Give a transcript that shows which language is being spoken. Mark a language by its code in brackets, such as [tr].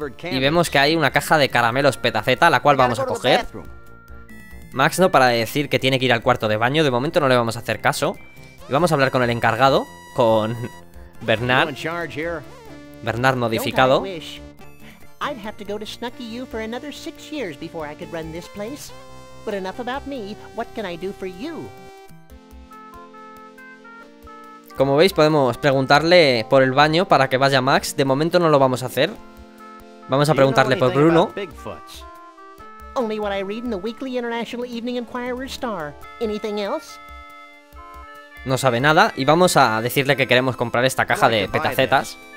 [es] Y vemos que hay una caja de caramelos petaceta, la cual vamos a coger. Max no para de decir que tiene que ir al cuarto de baño, de momento no le vamos a hacer caso. Y vamos a hablar con el encargado, con Bernard. Bernard modificado. [en] I'd have to go to Snucky U for another 6 years before I could run this place. But enough about me, what can I do for you? [es] Como veis, podemos preguntarle por el baño para que vaya Max. De momento no lo vamos a hacer. Vamos a preguntarle por Bruno. [en] Only what I read in the Weekly International Evening Inquirer Star. Anything else? [es] No sabe nada y vamos a decirle que queremos comprar esta caja de petacetas.